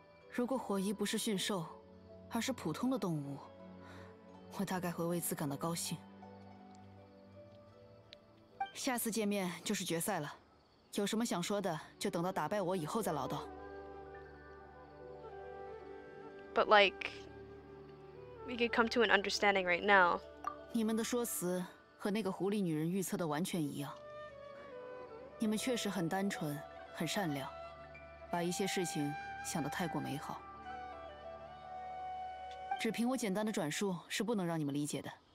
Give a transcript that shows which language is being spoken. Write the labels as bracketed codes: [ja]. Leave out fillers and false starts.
[zh] 如果回忆不是驯兽，而是普通的动物，我大概会为此感到高兴。下次见面就是决赛了。有什么想说的，就等到打败我以后再唠叨。 [en] But like, we could come to an understanding right now. [zh] 你们的说辞和那个狐狸女人预测的完全一样。你们确实很单纯，很善良，把一些事情想得太过美好。只凭我简单的转述是不能让你们理解的。